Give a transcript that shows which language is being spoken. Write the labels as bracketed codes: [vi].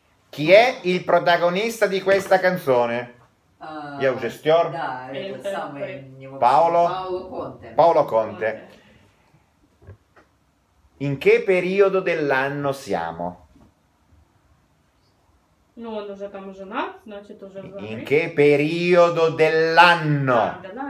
[it] Chi è il protagonista di questa canzone? [ru] Я уже стер. Да, это самый... Паоло? Паоло Конте. [it] In che periodo dell'anno siamo? [ru] Ну, он уже там женат, значит, уже... [it] In che periodo dell'anno?